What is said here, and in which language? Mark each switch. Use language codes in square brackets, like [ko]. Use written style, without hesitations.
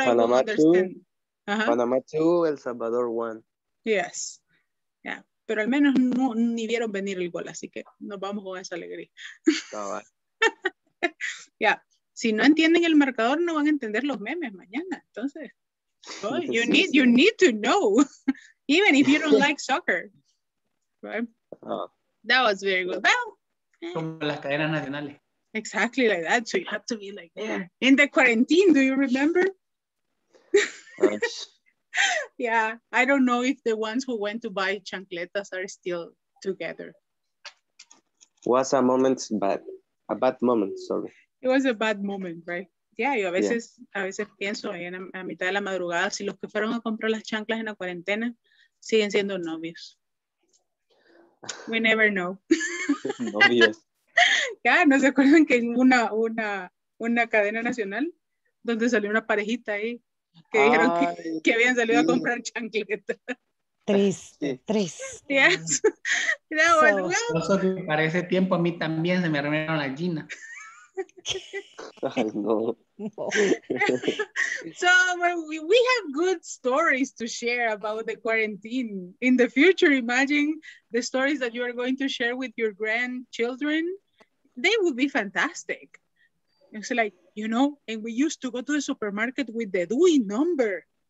[en] Panama I won't understand. Two. Uh-huh. Panama 2, El Salvador 1. Yes. Yeah. [es] Pero al menos no, ni vieron venir el gol, así que nos vamos con esa alegría. No, [en] ya, yeah. [es] Si no entienden el marcador, no van a entender los memes mañana. [en] Entonces, oh, you need to know, even if you don't like soccer. Right? Oh. That was very good. Well, [es] como las cadenas nacionales. [en] Exactly like that, so you have to be like, yeah. In the quarantine, do you remember? Yeah, I don't know if the ones who went to buy chancletas are still together. Was a moment, but a bad moment, sorry. It was a bad moment, right? [es] Yeah, yo a veces, yeah, a veces pienso en la mitad de la madrugada si los que fueron a comprar las chanclas en la cuarentena siguen siendo novios. [en] We never know. [es] Novios. Ya, yeah, ¿no se acuerdan que en una cadena nacional donde salió una parejita ahí que dijeron que habían salido, sí, a comprar chancletas? Tres. [en] Yes. [es] Bueno, para ese tiempo a mí también se me arruinaron las jeans. Ay, no. No. [en] So we have good stories to share about the quarantine. In the future, imagine the stories that you are going to share with your grandchildren. They would be fantastic. It's like, you know, and we used to go to the supermarket with the DUI number.